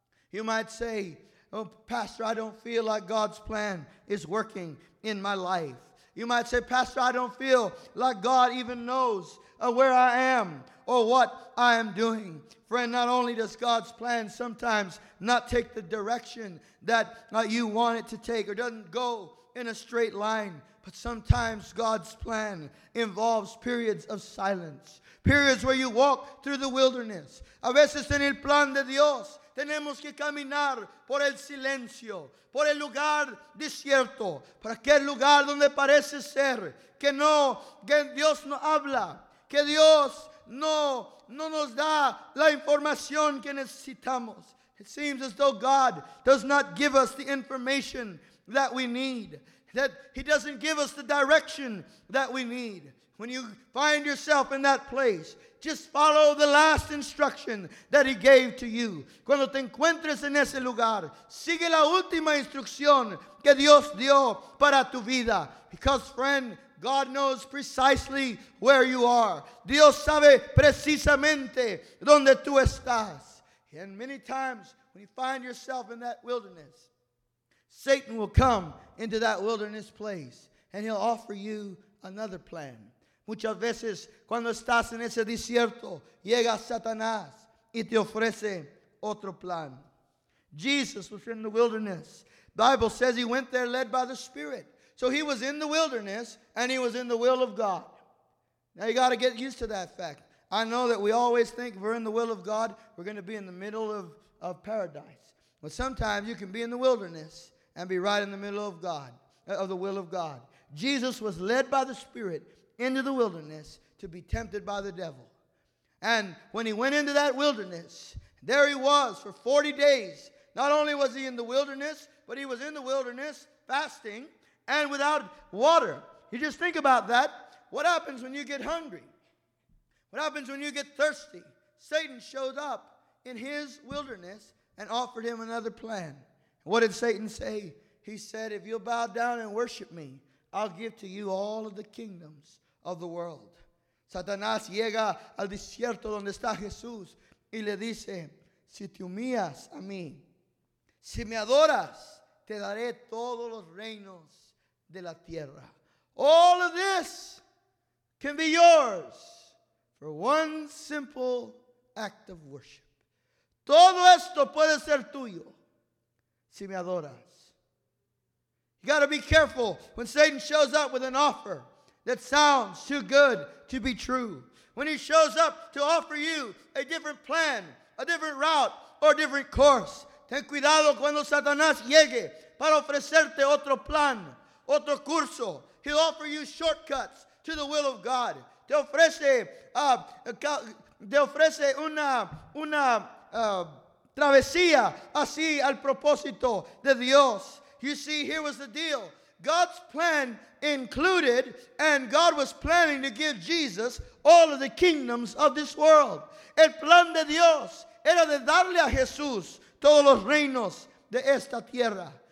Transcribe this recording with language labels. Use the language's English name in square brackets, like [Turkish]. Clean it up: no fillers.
[English] You might say, oh, Pastor, I don't feel like God's plan is working in my life. You might say, Pastor, I don't feel like God even knows where I am or what I am doing. Friend, not only does God's plan sometimes not take the direction that you want it to take or doesn't go in a straight line, but sometimes God's plan involves periods of silence, periods where you walk through the wilderness. [Spanish] A veces en el plan de Dios tenemos que caminar por el silencio, por el lugar desierto, por aquel lugar donde parece ser que no, que Dios no habla, que Dios no nos da la información que necesitamos. [English] It seems as though God does not give us the information that we need, that he doesn't give us the direction that we need. When you find yourself in that place, just follow the last instruction that he gave to you. [Spanish] Cuando te encuentres en ese lugar, sigue la última instrucción que Dios dio para tu vida. [English] Because, friend, God knows precisely where you are. [Spanish] Dios sabe precisamente donde tú estás. [English] And many times, when you find yourself in that wilderness, Satan will come into that wilderness place and he'll offer you another plan. [Spanish] Muchas veces, cuando estás en ese desierto, llega Satanás y te ofrece otro plan. [English] Jesus was in the wilderness. The Bible says he went there led by the Spirit. So he was in the wilderness and he was in the will of God. Now you got to get used to that fact. I know that we always think if we're in the will of God, we're going to be in the middle of paradise. But sometimes you can be in the wilderness and be right in the middle of God, of the will of God. Jesus was led by the Spirit into the wilderness to be tempted by the devil. And when he went into that wilderness, there he was for 40 days. Not only was he in the wilderness, but he was in the wilderness fasting and without water. You just think about that. What happens when you get hungry? What happens when you get thirsty? Satan showed up in his wilderness and offered him another plan. What did Satan say? He said, if you'll bow down and worship me, I'll give to you all of the kingdoms of the world. [Spanish] Satanás llega al desierto donde está Jesús y le dice, si te humillas a mí, si me adoras, te daré todos los reinos de la tierra. [English] All of this can be yours for one simple act of worship. [Spanish] Todo esto puede ser tuyo. Si me adoras. [English] You got to be careful when Satan shows up with an offer that sounds too good to be true. When he shows up to offer you a different plan, a different route, or a different course. [Spanish] Ten cuidado cuando Satanás llegue para ofrecerte otro plan, otro curso. [English] He'll offer you shortcuts, to the will of God. [Spanish] Te ofrece una travesía así al propósito de Dios. [English] You see, here was the deal. God's plan included, and God was planning to give Jesus all of the kingdoms of this world. [Spanish] El plan de Dios era de darle a Jesús todos los reinos de esta tierra.